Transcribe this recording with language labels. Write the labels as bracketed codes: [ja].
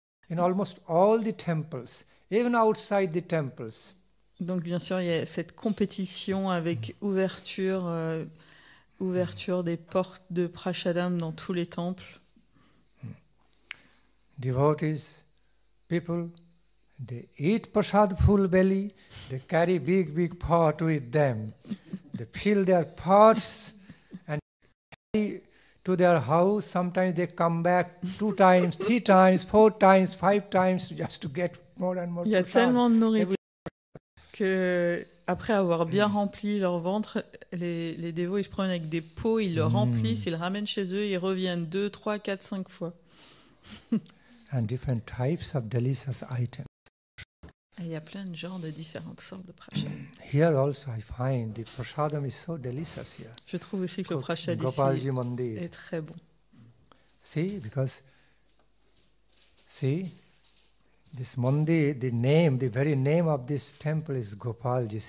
[en] In almost all the temples, even outside the temples. [fr] Donc bien sûr, il y a cette compétition avec ouverture des portes de prasadam dans tous les temples. [en] Devotees, people, they eat prasad full belly, they carry big pot with them. They fill their pots and carry to their house, sometimes they come back 2 times, 3 times, 4 times, 5 times, just to get more and more. [fr] Il y a tellement de nourriture que après avoir bien rempli leur ventre, les dévots, ils se prennent avec des pots, ils le remplissent, ils le ramènent chez eux, ils reviennent 2, 3, 4, 5 fois. [en] And different types of delicious items. [fr] Il y a plein de genres de différentes sortes de prasadam. [en] Here also I find the prasadam is so delicious here. [fr] Je trouve aussi que le prasadam ici est très bon. [en] See, this mandir, the name, the very name of this temple is Gopalji.